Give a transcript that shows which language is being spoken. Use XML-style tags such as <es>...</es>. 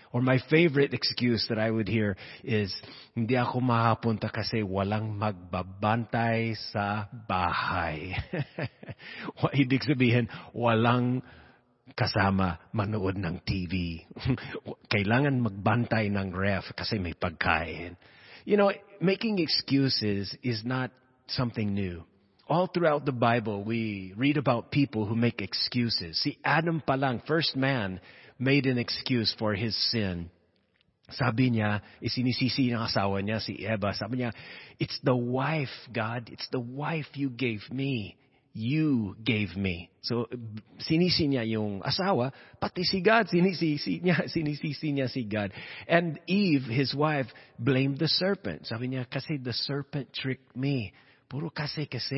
<en>Or my favorite excuse that I would hear is,</en> <tl>hindi ako makapunta kasi walang magbabantay sa bahay. Ibig sabihin, walang kasama manood ng TV. Kailangan magbantay ng ref kasi may pagkain.</tl> <en>You know, making excuses is not something new. All throughout the Bible, we read about people who make excuses. See, Adam palang, first man, made an excuse for his sin.</en> <tl>Sabi niya, isinisisi ng asawa niya, si Eva. Sabi niya,</tl> <en>it's the wife, God. It's the wife you gave me. You gave me. So,</en> <tl>sinisi niya yung asawa, pati si God, sinisisi niya si God.</tl> <en>And Eve, his wife, blamed the serpent.</en> <tl>Sabi niya, kasi</tl> <en>the serpent tricked me.</en> <tl>Puro kasi.</tl>